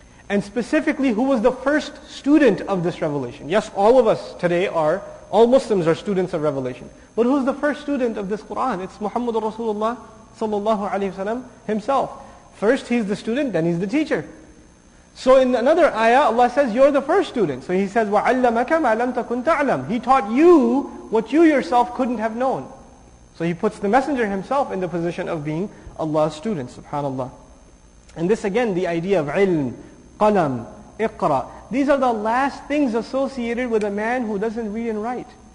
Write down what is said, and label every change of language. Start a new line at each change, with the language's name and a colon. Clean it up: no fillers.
English: And specifically, who was the first student of this revelation? Yes, all of us today are, all Muslims are students of revelation. But who's the first student of this Qur'an? It's Muhammad Rasulullah sallallahu alaihi wasallam himself. First he's the student, then he's the teacher. So in another ayah, Allah says, you're the first student. So He says,
Arabic: وَعَلَّمَكَ مَا لَمْ تَكُنْ تَعْلَمْ.
English: He taught you what you yourself couldn't have known. So He puts the Messenger himself in the position of being Allah's student, subhanAllah. And this again, the idea of ilm, qalam, iqra. These are the last things associated with a man who doesn't read and write.